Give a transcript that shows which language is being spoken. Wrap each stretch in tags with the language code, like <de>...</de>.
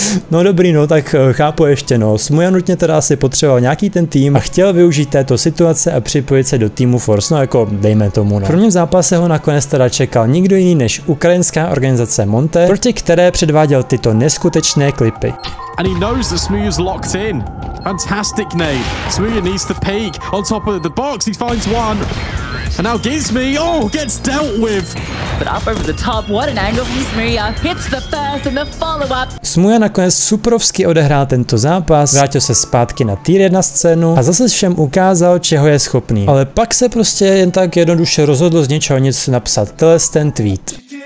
<cs>No dobrý, no tak chápu ještě, no Smuja nutně teda asi potřeboval nějaký ten tým a chtěl využít této situace a připojit se do týmu Force, no jako dejme tomu, no. V prvním zápase ho nakonec teda čekal nikdo jiný než ukrajinská organizace Monte, proti které předváděl tyto neskutečné klipy.</cs> <en>And he knows that Smuja's locked in. Fantastic name. Smuja needs to peek on top of the box. He finds one. And now Gizmi, oh, gets dealt with. But up over the top, what an angle from Smuja. Hits the first and the follow-up.</en> <cs>Smuja nakonec suprovsky odehrál tento zápas, vrátil se zpátky na tier 1 scénu a zase všem ukázal, čeho je schopný. Ale pak se prostě jen tak jednoduše rozhodl z něčeho nic napsat. Tohle ten tweet.</cs>